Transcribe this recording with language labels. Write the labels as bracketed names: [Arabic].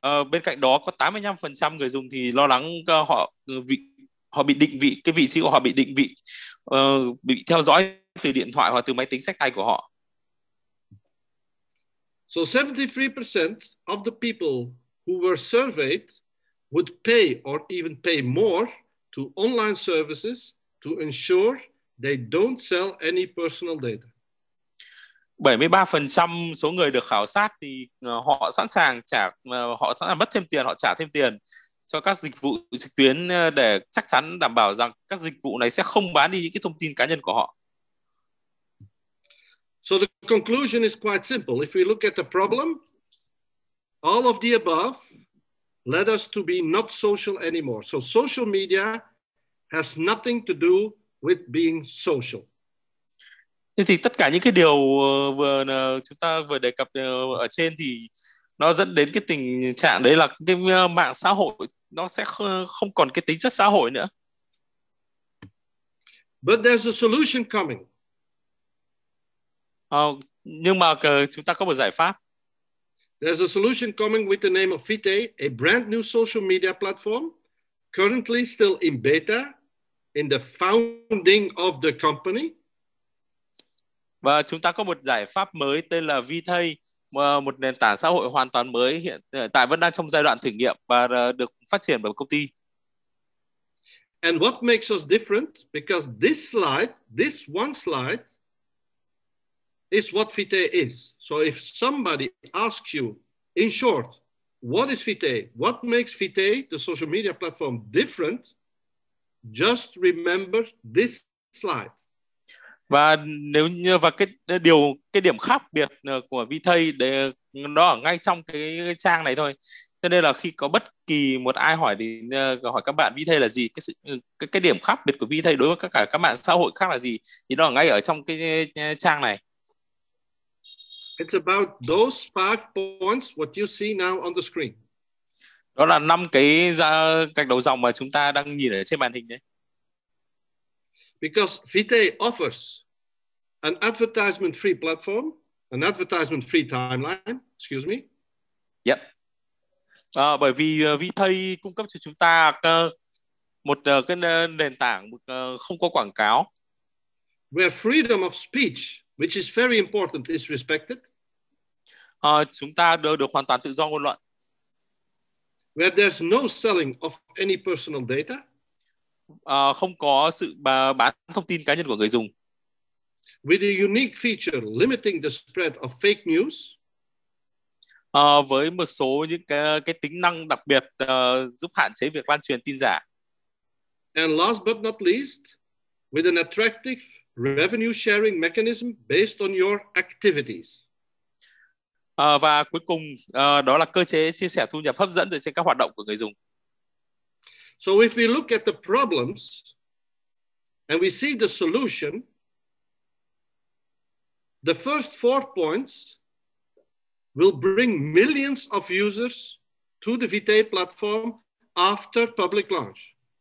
[Vietnamese] Bên cạnh đó có 85% người dùng thì lo lắng họ bị định vị, cái vị trí của họ bị định vị, bị theo dõi từ điện thoại hoặc từ máy tính xách tay của họ. [English] So 73% of the people who were surveyed would pay or even pay more to online services to ensure they don't sell any personal data. [Vietnamese] 73% số người được khảo sát thì họ sẵn sàng trả, họ sẵn sàng mất thêm tiền, họ trả thêm tiền cho các dịch vụ trực tuyến để chắc chắn đảm bảo rằng các dịch vụ này sẽ không bán đi những cái thông tin cá nhân của họ. [English] So the conclusion is quite simple. If we look at the problem, all of the above led us to be not social anymore. So social media has nothing to do with being social. [Vietnamese] Thế thì tất cả những cái điều vừa chúng ta vừa đề cập ở trên thì nó dẫn đến cái tình trạng đấy là cái mạng xã hội nó sẽ không còn cái tính chất xã hội nữa. [English] But there's a solution coming. [Vietnamese] Nhưng mà chúng ta có một giải pháp. [English] There's a solution coming with the name of Vitae, a brand new social media platform, currently still in beta, in the founding of the company. [Vietnamese] Và chúng ta có một giải pháp mới tên là Vitae, một nền tảng xã hội hoàn toàn mới, hiện tại vẫn đang trong giai đoạn thử nghiệm và được phát triển bởi công ty. [English] And what makes us different? Because this slide, this one slide, is what Vitae is. So if somebody asks you, in short, what is Vitae? What makes Vitae, the social media platform, different? Just remember this slide. [Vietnamese] Và nếu như và cái điểm khác biệt của Vitae để nó ở ngay trong cái trang này thôi. Cho nên là khi có bất kỳ một ai hỏi thì hỏi các bạn Vitae là gì, cái điểm khác biệt của Vitae đối với các cả các mạng xã hội khác là gì thì nó ở ngay ở trong cái trang này. [English] It's about those five points what you see now on the screen. [Vietnamese] Đó là năm cái gạch đầu dòng mà chúng ta đang nhìn ở trên màn hình đấy. [English] Because Vitae offers an advertisement-free platform, an advertisement-free timeline, excuse me. Yep. [Vietnamese] Bởi vì Vitae cung cấp cho chúng ta một cái nền tảng không có quảng cáo. [English] Where freedom of speech, which is very important, is respected. [Vietnamese] Chúng ta được hoàn toàn tự do ngôn luận. [English] Where there's no selling of any personal data. [Vietnamese] Không có sự bán thông tin cá nhân của người dùng. [English] With a unique feature limiting the spread of fake news. [Vietnamese] Với một số những cái tính năng đặc biệt giúp hạn chế việc lan truyền tin giả. [English] And last but not least, with an attractive revenue sharing mechanism based on your activities. [Vietnamese] Và cuối cùng đó là cơ chế chia sẻ thu nhập hấp dẫn dựa trên các hoạt động của người dùng. [English] So if we look at the problems and we see the solution, the first four points will bring millions of users to the Vitae platform after public launch.